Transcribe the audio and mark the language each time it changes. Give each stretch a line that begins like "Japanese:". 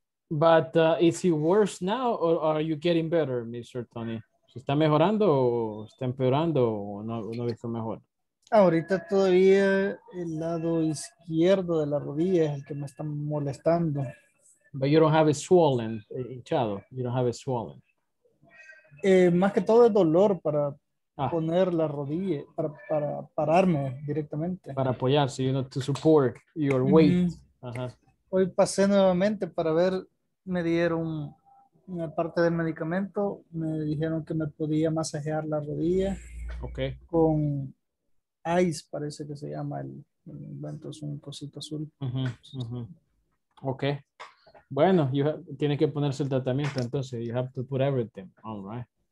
English: But is it worse now or are you getting better, Mr. Tony?
Spanish: ¿Se está mejorando o está empeorando o no visto mejor? Ahorita todavía el lado izquierdo de la rodilla es el que me está molestando.
English: But you don't have it swollen, hinchado. You don't have it swollen.
Spanish: Más que todo es dolor para poner la rodilla, para pararme directamente. Para apoyarse,
English: you know, to support your weight. Uh-huh.
Spanish: Hoy pasé nuevamente para ver, me dieron una parte del medicamento, me dijeron que me podía masajear la rodilla.
English: Okay.
Spanish: Con ice, parece que se llama el invento, es un cosito azul.
English: Uh-huh. Okay.
Spanish: Bueno, tiene que ponerse el tratamiento, entonces
English: you have to put everything. All right.